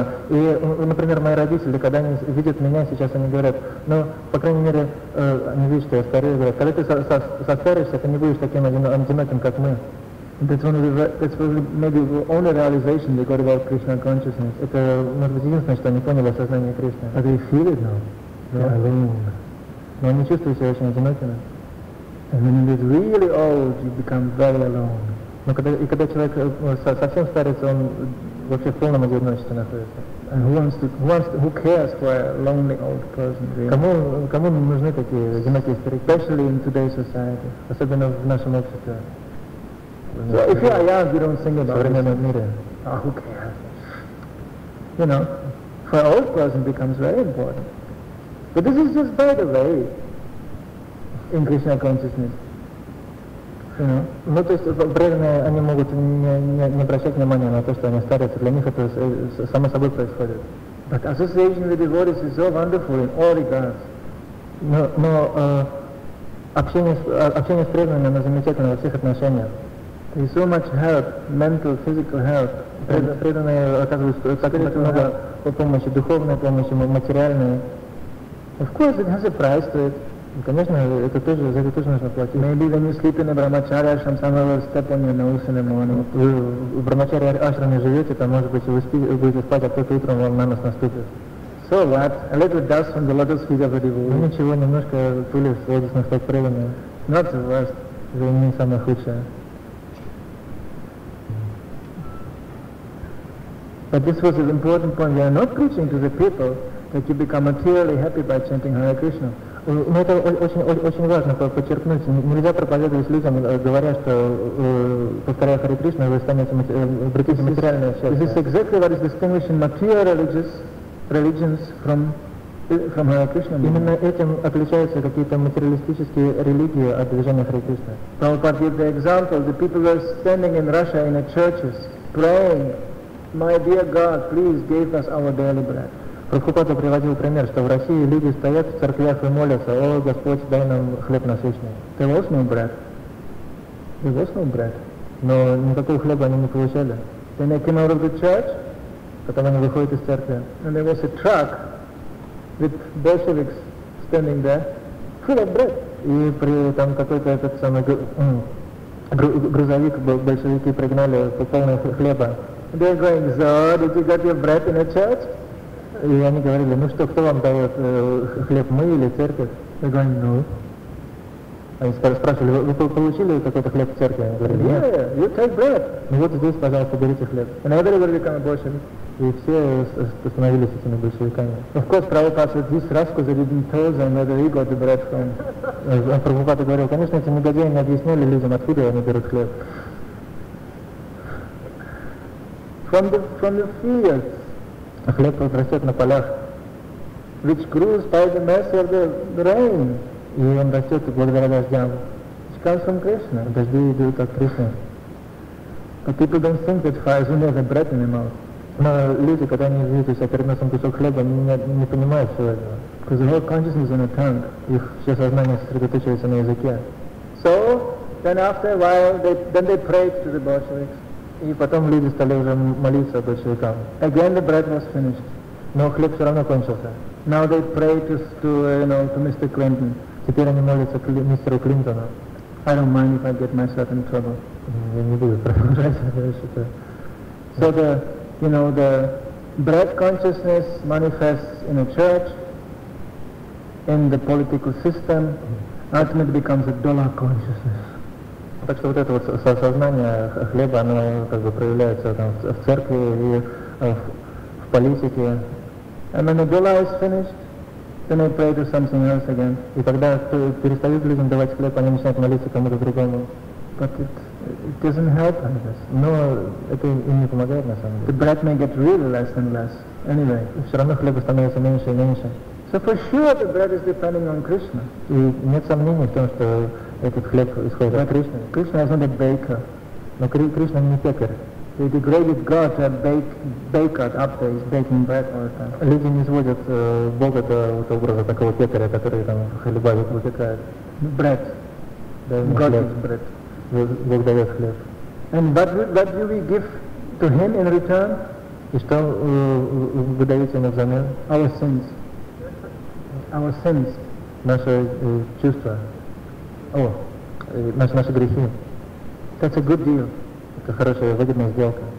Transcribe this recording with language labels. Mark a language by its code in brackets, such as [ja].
[ru] И, например, мои родители, когда они видят меня, сейчас они говорят, ну, по крайней мере, они видят, что я старею, говорят, когда ты состаришься, ты не будешь таким одиноким, как мы. [en] That's probably maybe the only realization they got about Krishna consciousness. [ru] Это, может быть, единственное, что они поняли о сознании Кришны. [en] But they feel it now. [ru] Но они чувствуют себя очень одинокими. [en] And when you're really old, you become very alone. [ru] Но когда, и когда человек совсем старится, он вообще в полном одиночестве находится. [en] And who cares for a lonely old person? Really? [ru] Кому нужны такие одинокие старики? [en] Especially in today's society. [ru] Особенно в нашем обществе. [en] So if you are young, you don't sing about it. [ru] В современном мире. [en] Who cares? You know, for an old person becomes very important. But this is just by the way in Krishna consciousness. [ru] Ну, то есть преданные, они могут не обращать внимания на то, что они старятся. Для них это само собой происходит. [en] But association with devotees is so wonderful in all regards. [ru] Но общение с преданными, оно замечательно во всех отношениях. [en] There is so much help, mental, physical help. [ru] Преданные оказывают так много по помощи, духовной помощи, материальной. [en] Of course, it has a price to it. [ru] Конечно, это тоже, за это тоже нужно платить. [en] Maybe when you sleep in a brahmachari ashram, someone will step on your nose in the morning. [ru] Вы в брахмачари ашраме живете, там, может быть, вы будете спать, а кто-то утром вам на нос наступит. [en] So what? A little dust from the lotus feet of the devotee. [ru] Ну ничего, немножко пыли в лотосных стоп преданных. [en] Not the worst. [ru] Это не самое худшее. [en] But this was an important point. We are not preaching to the people that you become materially happy by chanting Hare Krishna. [ru] Но это очень важно подчеркнуть. Нельзя проповедовать людям, говоря, что повторяя Харе Кришна, вы станете обретите материальное счастье. [en] This is exactly what is distinguishing material religions from Hare Krishna. [ru] Именно этим отличаются какие-то материалистические религии от движения Харе Кришна. [en] Prabhupada gave the example, the people were standing in Russia in a churches. praying, my dear God, please give us our daily bread. [ru] Прабхупада приводил пример, что в России люди стоят в церквях и молятся: «О, Господь, дай нам хлеб насущный». [en] There was no bread. There was no bread. [ru] Но никакого хлеба они не получали. [en] Then they came out of the church. [ru] Потом они выходят из церкви. [en] And there was a truck with Bolsheviks standing there, full of bread. [ru] И при там какой-то этот самый грузовик был, большевики пригнали полный хлеба. [en] They're going, so did you get your bread in a church? [ru] И они говорили: ну что, кто вам дает хлеб, мы или церковь? [en] They're going, no. [ru] Они спрашивали: вы получили какой-то хлеб в церкви? Они говорили: [en] yeah, [ru] нет. [en] You take bread. [ru] Ну вот здесь, пожалуйста, берите хлеб. [en] And everybody become Bolshevik. [ru] И все становились этими большевиками. [en] Of course, Prabhupada said, this rascal didn't tell them where he got the bread from. [ru] Прабхупада говорил: конечно, эти негодяи не объясняли людям, откуда они берут хлеб. [en] From the fields. [ru] А хлеб растет на полях. [en] Which grows by the mercy of the rain. [ru] И он растет благодаря дождям. [en] Which comes from Krishna. [ru] Дожди идут от Кришны. [en] But people don't think that Krishna has the bread in his mouth. [ru] Но люди, когда они видят у себя перед носом кусок хлеба, они не понимают всего этого. [en] Because the whole consciousness is in the tongue. [ru] Их все сознание сосредоточивается на языке. [en] So, then after a while, they prayed to the Bolsheviks. [ru] И потом люди стали уже молиться большевикам. [en] Again the bread was finished. [ru] Но хлеб все равно кончился. [en] Now they pray to Mr. Clinton. [ru] Теперь они молятся мистеру Клинтону. [en] I don't mind if I get myself in trouble. [ru] Я не буду продолжать. [en] So the, you know, the bread consciousness manifests in a church, in the political system, ultimately becomes a dollar consciousness. [ru] Так что вот это вот сознание хлеба, оно как бы проявляется там в церкви и в политике. [en] And when the dollar is finished, then they pray to something else again. [ru] И тогда перестают людям давать хлеб, они начинают молиться кому-то другому. [en] But it doesn't help, I guess. [ru] Но это им не помогает, на самом деле. [en] The bread may get really less and less. Anyway. [ru] И все равно хлеба становится меньше и меньше. [en] So for sure the bread is depending on Krishna. [ru] И нет сомнений в том, что этот хлеб исходит от Кришны. [en] Кришна is not a baker. [ru] Но Кришна не пекарь. [en] They degraded God to a baker up there, he's baking bread all the time. [ru] Люди не сводят Бога до вот образа такого пекаря, который там хлеба выпекает. [en] Bread. God is bread. [ru] Бог дает хлеб. [en] And what do we give to him in return? [ru] И что вы даете ему взамен? [en] Our sins. Our sins. [ru] Наши чувства. О, наши грехи. [en] That's a good deal. [ru] Это хорошая, выгодная сделка.